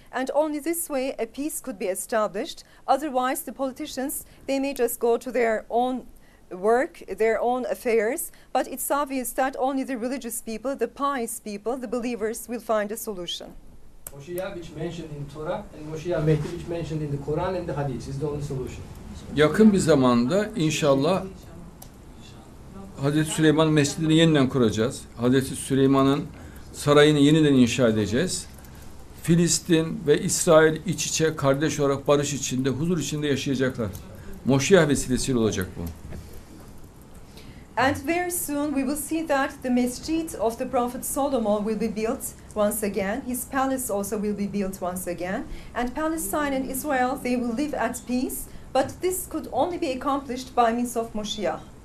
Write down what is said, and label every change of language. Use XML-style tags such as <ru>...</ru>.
<en>And only this way a peace could be established. Otherwise, the politicians, they may just go to their own work, their own affairs. But it's obvious that only the religious people, the pious people, the believers, will find a solution. Moshiach, which mentioned in Torah, and Moshiach Mehdi, which mentioned in the Quran and the Hadith, is the only solution.</en> <tr>Yakın bir zamanda inşallah Hazreti Süleyman Mescidini yeniden kuracağız. Hazreti Süleyman'ın sarayını yeniden inşa edeceğiz. Filistin ve İsrail iç içe kardeş olarak barış içinde, huzur içinde yaşayacaklar. Moşiyah vesilesiyle olacak bu.</tr> <en>And very soon we will see that the Masjid of the Prophet Solomon will be built once again. His palace also will be built once again. And Palestine and Israel, they will live at peace. But this could only be accomplished by means of Moshiach.</en>